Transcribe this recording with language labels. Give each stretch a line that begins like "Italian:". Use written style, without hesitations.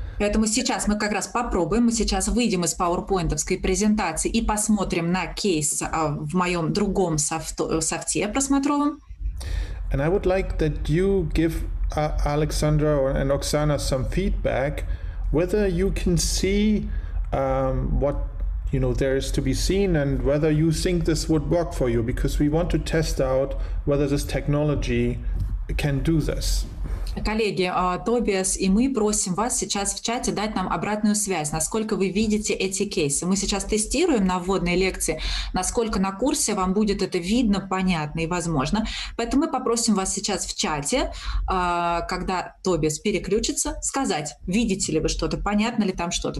Russian: Поэтому сейчас мы как раз попробуем, мы сейчас выйдем из PowerPoint-овской презентации и посмотрим на кейс в моем другом софте просмотровом.
English: And I would like that you give Alexandra and Oksana some feedback, whether you can see what you know there is to be seen and whether you think this would work for you, because we want to test out whether this technology can do this.
Russian: Коллеги, Тобиас и мы просим вас сейчас в чате дать нам обратную связь, насколько вы видите эти кейсы. Мы сейчас тестируем на вводной лекции, насколько на курсе вам будет это видно, понятно и возможно. Поэтому мы попросим вас сейчас в чате, когда Тобиас переключится, сказать, видите ли вы что-то, понятно ли там что-то.